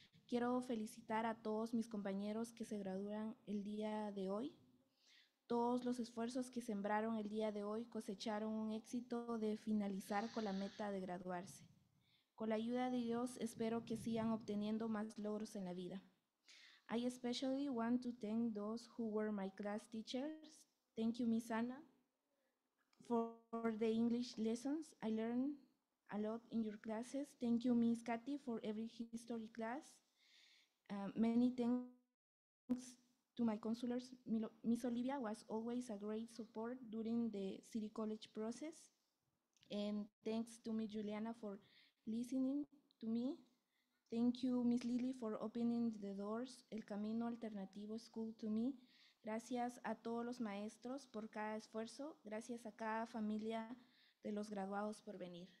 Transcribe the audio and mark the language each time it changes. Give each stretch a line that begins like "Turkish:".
Spanish: Quiero felicitar a todos mis compañeros que se gradúan el día de hoy. Todos los esfuerzos que sembraron el día de hoy cosecharon un éxito de finalizar con la meta de graduarse. Con la ayuda de Dios, espero que sigan obteniendo más logros en la vida.
English: I especially want to thank those who were my class teachers. Thank you, Miss Anna, for the English lessons. I learned a lot in your classes. Thank you, Miss Kathy, for every history class. Many thanks to my counselors. Miss Olivia was always a great support during the City College process. And thanks to Miss Juliana for listening to me. Thank you, Miss Lily, for opening the doors, El Camino Alternativo School to me.
Spanish: Gracias a todos los maestros por cada esfuerzo. Gracias a cada familia de los graduados por venir.